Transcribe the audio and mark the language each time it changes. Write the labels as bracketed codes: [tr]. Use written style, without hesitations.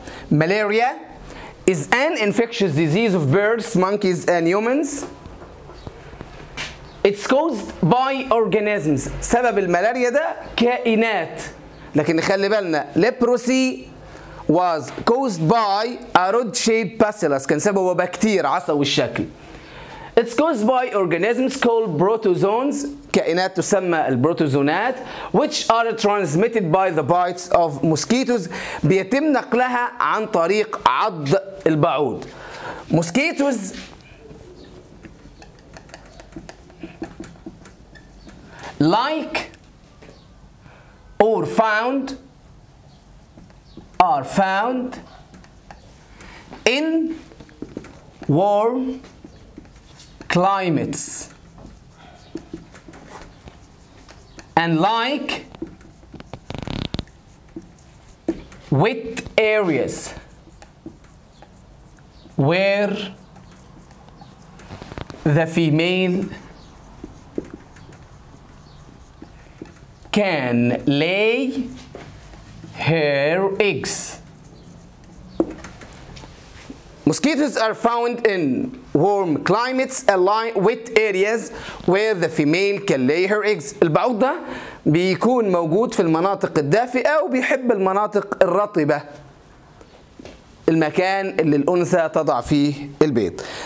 [en] Malaria is an infectious disease of birds, monkeys, and humans. It's caused by organisms. [ar] سبب الملاريا ده كائنات. لكن خلي بالنا, [en] leprosy was caused by a rod-shaped bacillus. [ar] كان سببه بكتير عصوي الشكل. [en] It's caused by organisms called protozoans. [ar] كائنات تسمى البروتوزونات, [en] which are transmitted by the bites of mosquitoes. [ar] بيتم نقلها عن طريق عض البعوض. [en] Mosquitoes like or found are found in warm climates and like wet areas where the female can lay her eggs. Mosquitoes are found in warm climates, along with areas where the female can lay her eggs. [ar] البعوض ده بيكون موجود في المناطق الدافئة وبيحب المناطق الرطبة, المكان اللي الأنثى تضع فيه البيض.